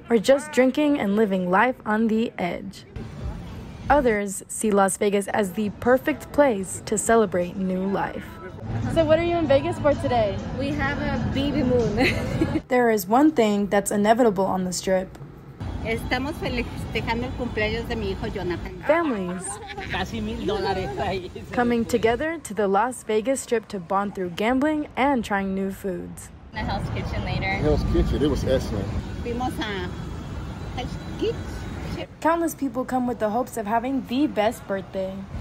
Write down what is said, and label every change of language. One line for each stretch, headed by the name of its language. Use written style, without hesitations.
English: Or just drinking and living life on the edge. Others see Las Vegas as the perfect place to celebrate new life. So what are you in Vegas for today? We have a baby moon. There is one thing that's inevitable on the Strip.
Spanish: Estamos festejando el cumpleaños de mi hijo Jonathan.
English: Families.
Spanish: Casi $1,000 ahí.
English: Coming together to the Las Vegas Strip to bond through gambling and trying new foods. The Hell's Kitchen later. Hell's Kitchen, it was excellent.
Spanish: Fuimos a Hell's Kitchen.
English: Countless people come with the hopes of having the best birthday.